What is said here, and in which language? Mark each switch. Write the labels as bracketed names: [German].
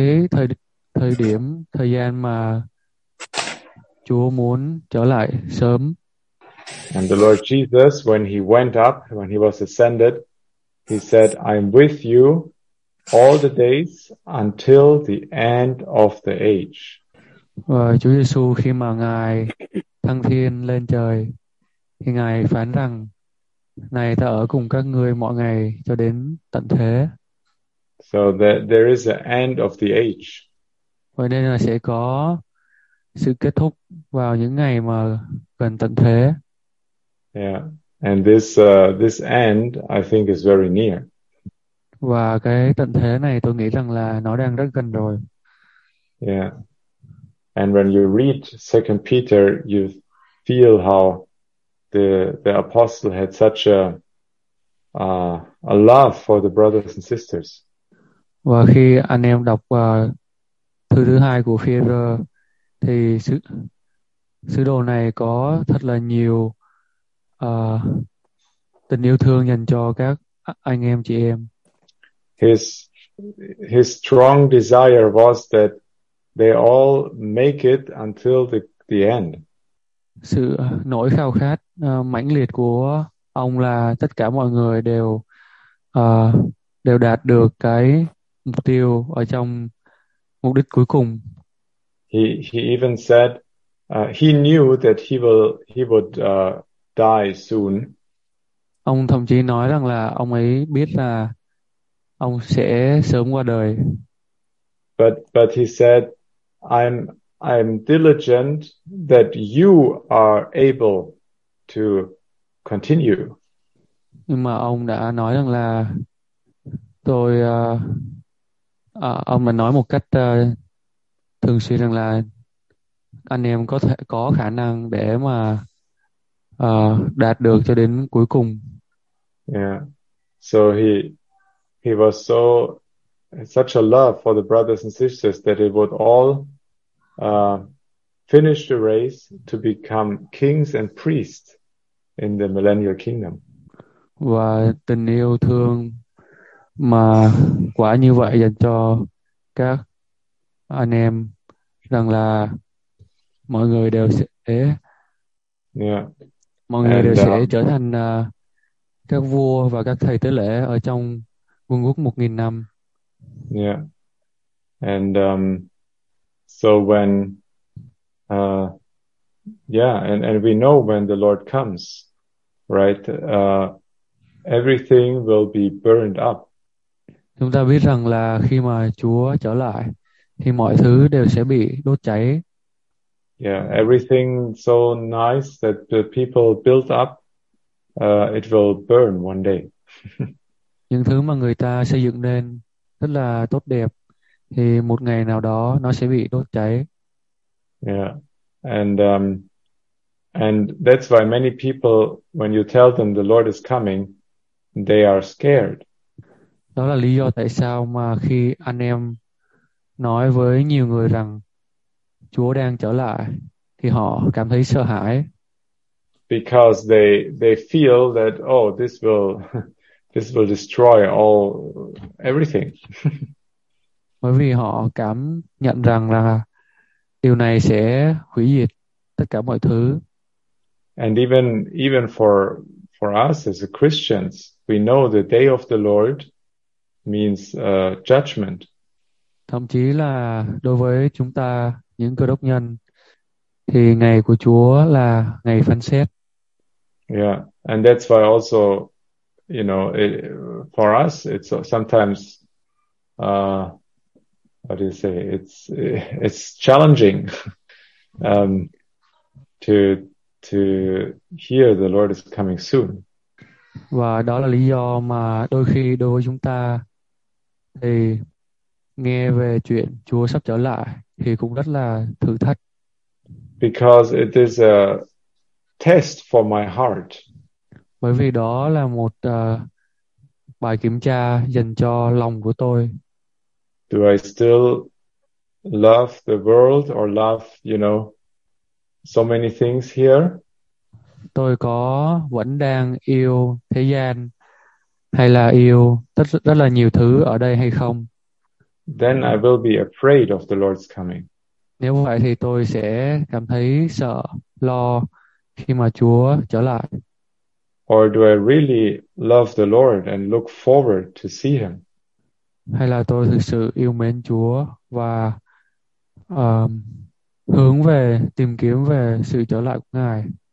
[Vietnamese] Cái thời gian mà Chúa muốn trở lại sớm. [English] And the Lord Jesus, when he went up, when he was ascended, he said, I'm with you all the days until the end of the age. [Vietnamese] Và Chúa Giêsu khi mà Ngài thăng thiên lên trời, thì Ngài phán rằng, này ta ở cùng các ngươi mọi ngày cho đến tận thế. [English] So that there is an end of the age. [Vietnamese] Vậy nên là sẽ có sự kết thúc vào những ngày mà gần tận thế. [English] Yeah, and this end, I think, is very near. [Vietnamese] Và cái tận thế này tôi nghĩ rằng là nó đang rất gần rồi. [English] Yeah. And when you read Second Peter, you feel how the apostle had such a love for the brothers and sisters. [Vietnamese] Và khi anh em đọc thư thứ hai của Phi-e-rơ thì sứ đồ này có thật là nhiều tình yêu thương dành cho các anh em chị em. [English] His strong desire was that they all make it until the end. [Vietnamese] Sự nỗi khao khát mãnh liệt của ông là tất cả mọi người đều đạt được cái mục tiêu ở trong mục đích cuối cùng. [English] He even said he knew that he would die soon. [Vietnamese] Ông thậm chí nói rằng là ông ấy biết là ông sẽ sớm qua đời. [English] But he said, I'm diligent that you are able to continue. [Vietnamese] Nhưng mà ông đã nói rằng là tôi ông đã nói một cách thường xuyên rằng là anh em có khả năng để mà đạt được cho đến cuối cùng. [English] Yeah. So he was so such a love for the brothers and sisters that it would all finish the race to become kings and priests in the millennial kingdom. [Vietnamese] Và tình yêu thương mà quả như vậy dành cho các anh em rằng là mọi người đều sẽ trở thành các vua và các thầy tế lễ ở trong vương quốc 1000 năm. [English] Yeah. And so when and we know when the Lord comes, right? Everything will be burned up. [Vietnamese] Chúng ta biết rằng là khi mà Chúa trở lại thì mọi thứ đều sẽ bị đốt cháy. [English] Yeah, everything so nice that the people built up, it will burn one day. [Vietnamese] Những thứ mà người ta xây dựng nên rất là tốt đẹp thì một ngày nào đó nó sẽ bị đốt cháy. [English] Yeah. And that's why many people, when you tell them the Lord is coming, they are scared. [Vietnamese] Đó là lý do tại sao mà khi anh em nói với nhiều người rằng Chúa đang trở lại thì họ cảm thấy sợ hãi. [English] because they feel that, oh, this will destroy all everything. [Vietnamese] Bởi vì họ cảm nhận rằng là điều này sẽ hủy diệt tất cả mọi thứ. [English] And even for us as a Christians, we know the day of the Lord means judgment. [Vietnamese] Thậm chí là đối với chúng ta những Cơ Đốc nhân thì ngày của Chúa là ngày phán xét. [English] Yeah, and that's why also, you know, it, for us it's sometimes how do you say, it's challenging to hear the Lord is coming soon. [Vietnamese] Và đó là lý do mà đôi khi đối với chúng ta thì nghe về chuyện Chúa sắp trở lại thì cũng rất là thử thách. [English] Because it is a test for my heart. [Vietnamese] Bởi vì đó là một bài kiểm tra dành cho lòng của tôi. [English] Do I still love the world or love, you know, so many things here? [Vietnamese] Tôi có vẫn đang yêu thế gian hay là yêu rất là nhiều thứ ở đây hay không? [English] Then I will be afraid of the Lord's coming. [Vietnamese] Nếu vậy thì tôi sẽ cảm thấy sợ, lo khi mà Chúa trở lại. [English] Or do I really love the Lord and look forward to see him? [Vietnamese] Hay là tôi thực sự yêu mến Chúa và hướng về, tìm kiếm về sự trở lại của Ngài.